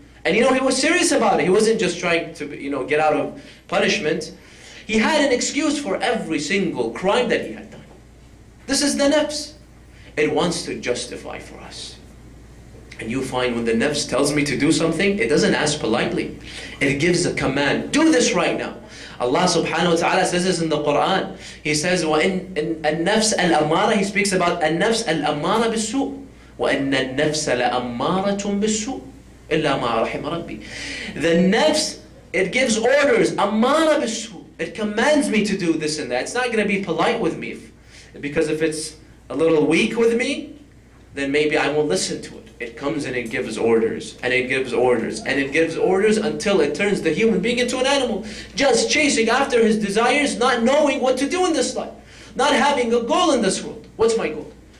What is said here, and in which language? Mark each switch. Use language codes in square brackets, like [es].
[en] And you know, he was serious about it. He wasn't just trying to, you know, get out of punishment. He had an excuse for every single crime that he had done. This is the nafs. It wants to justify for us. And you find when the nafs tells me to do something, it doesn't ask politely. It gives a command. Do this right now. Allah subhanahu wa ta'ala says this in the Quran. He says, [ar] وَإِنْ النَّفْسَ الْأَمَّارَةِ [en] He speaks about [ar] النَّفْسَ الْأَمَّارَةِ بِالسُّوءِ وَإِنَّ النَّفْسَ لَأَمَّارَةٌ بِالسُّوءِ إِلَّا مَا رَحِمَ رَبِّي [en] The nafs, it gives orders. [ar] أَمَّارَةِ بِالسُّوءِ [en] It commands me to do this and that. It's not going to be polite with me. Because if it's a little weak with me, then maybe I won't listen to it. It comes and it gives orders, and it gives orders, and it gives orders until it turns the human being into an animal, just chasing after his desires, not knowing what to do in this life, not having a goal in this world. What's my goal?